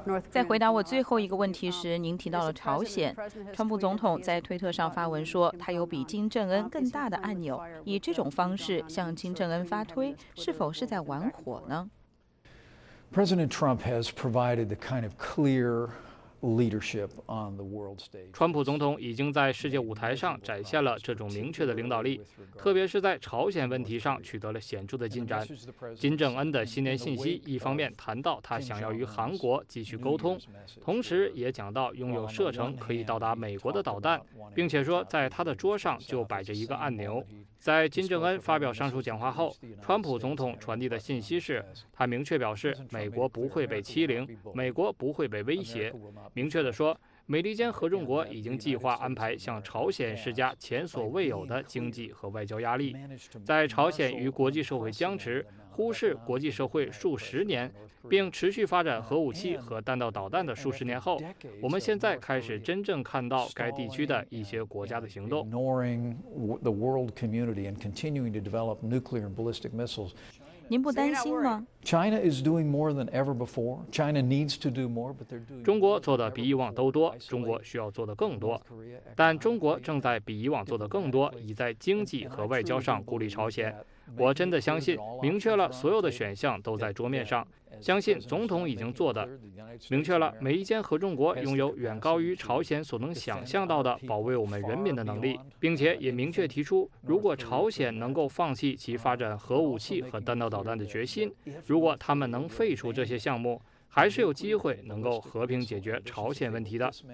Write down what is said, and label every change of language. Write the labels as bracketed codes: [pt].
[zh] 在回答我最后一个问题时，您提到了朝鲜。川普总统在推特上发文说，他有比金正恩更大的按钮，以这种方式向金正恩发推，是否是在玩火呢？ [en] President Trump has provided the kind of clear, leadership on the world stage. [zh] 川普总统已经在世界舞台上展现了这种明确的领导力，特别是在朝鲜问题上取得了显著的进展。金正恩的新年信息一方面谈到他想要与韩国继续沟通，同时也讲到拥有射程可以到达美国的导弹，并且说在他的桌上就摆着一个按钮。在金正恩发表上述讲话后，川普总统传递的信息是，他明确表示美国不会被欺凌，美国不会被威胁，明确地说，美利坚合众国已经计划安排向朝鲜施加前所未有的经济和外交压力。在朝鲜与国际社会僵持、忽视国际社会数十年，并持续发展核武器和弹道导弹的数十年后，我们现在开始真正看到该地区的一些国家的行动。 [en] Ignoring the world community and continuing to develop nuclear and ballistic missiles. [zh] 您不担心吗？ [en] China is doing more than ever before. China needs to do more, but they're doing. [zh] 中国做的比以往都多，中国需要做的更多，但中国正在比以往做的更多，已在经济和外交上孤立朝鲜。我真的相信，明确了所有的选项都在桌面上。相信总统已经做的，明确了美利坚合众国拥有远高于朝鲜所能想象到的保卫我们人民的能力，并且也明确提出，如果朝鲜能够放弃其发展核武器和弹道导弹的决心，如果他们能废除这些项目，还是有机会能够和平解决朝鲜问题的。